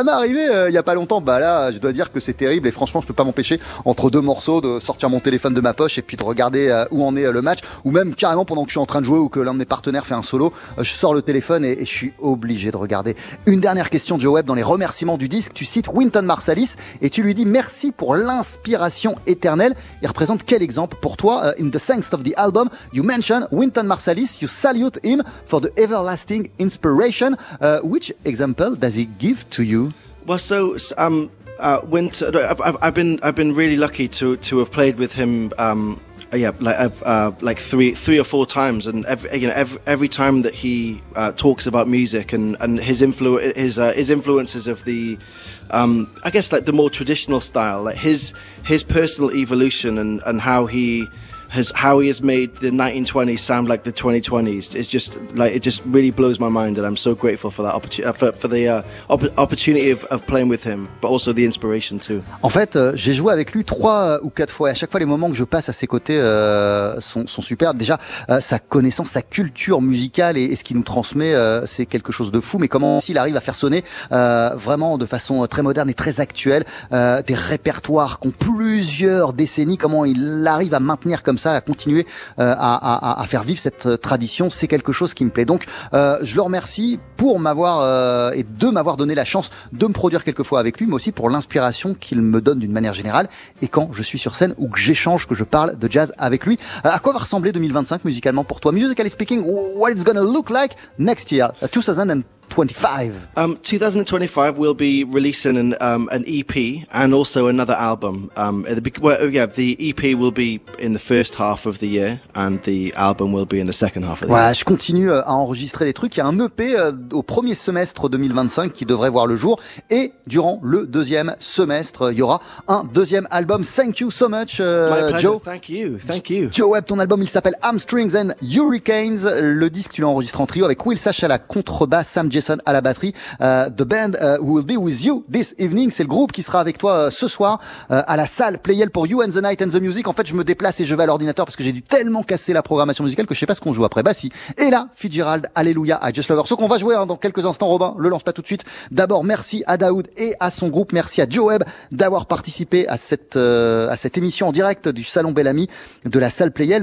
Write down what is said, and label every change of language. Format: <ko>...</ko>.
<fr>Ça m'est arrivé il y a pas longtemps. Bah là, je dois dire que c'est terrible et franchement, je peux pas m'empêcher entre deux morceaux de sortir mon téléphone de ma poche et puis de regarder où en est le match, ou même carrément pendant que je suis en train de jouer ou que l'un de mes partenaires fait un solo, je sors le téléphone et je suis obligé de regarder. Une dernière question, Joe Webb, dans les remerciements du disque, tu cites Wynton Marsalis et tu lui dis merci pour l'inspiration éternelle. Il représente quel exemple pour toi?</fr> <en>In the thanks of the album, you mention Wynton Marsalis, you salute him for the everlasting inspiration. Which example does he give to you? Well, I've been really lucky to have played with him like three or four times, and every time that he talks about music and his influences of the, I guess like the more traditional style, like his personal evolution and how he has made the 1920s sound like the 2020s. It's just like, it just really blows my mind, and I'm so grateful for that opportunity of playing with him, but also the inspiration too.</en> <fr>En fait, j'ai joué avec lui 3 ou 4 fois, et à chaque fois les moments que je passe à ses côtés sont superbes. Déjà, sa connaissance, sa culture musicale et ce qu'il nous transmet, c'est quelque chose de fou. Mais comment s'il arrive à faire sonner vraiment de façon très moderne et très actuelle des répertoires qui ont plusieurs décennies, comment il arrive à maintenir comme ça, à continuer à faire vivre cette tradition, c'est quelque chose qui me plaît. Donc, je le remercie pour m'avoir et de m'avoir donné la chance de me produire quelques fois avec lui, mais aussi pour l'inspiration qu'il me donne d'une manière générale. Et quand je suis sur scène ou que j'échange, que je parle de jazz avec lui, à quoi va ressembler 2025 musicalement pour toi?</fr> <en>Musically speaking, what it's gonna look like next year, 2025. 2025, we'll be releasing an EP and also another album. The EP will be in the first half of the year and the album will be in the second half of the year.</en> <fr>Je continue à enregistrer des trucs. Il y a un EP au premier semestre 2025 qui devrait voir le jour, et durant le deuxième semestre, il y aura un deuxième album.</fr> <en>Thank you so much, Joe. Thank you.</en> <fr>Joe Webb, ton album, il s'appelle Hamstrings and Hurricanes. Le disque, tu l'enregistres en trio avec Will Sash à la contrebasse, Sam Jason à la batterie.</fr> <en>The band will be with you this evening.</en> <fr>C'est le groupe qui sera avec toi ce soir à la salle Playel pour You and the Night and the Music. En fait, je me déplace et je vais à l'ordinateur parce que j'ai dû tellement casser la programmation musicale que je sais pas ce qu'on joue après. Bah si. Et là, Fitzgerald, Alléluia, I Just Love Her. Ce qu'on va jouer dans quelques instants, Robin, le lance pas tout de suite. D'abord, merci à Daoud et à son groupe. Merci à Joe Webb d'avoir participé à cette émission en direct du Salon Bel Ami de la salle Playel.</fr>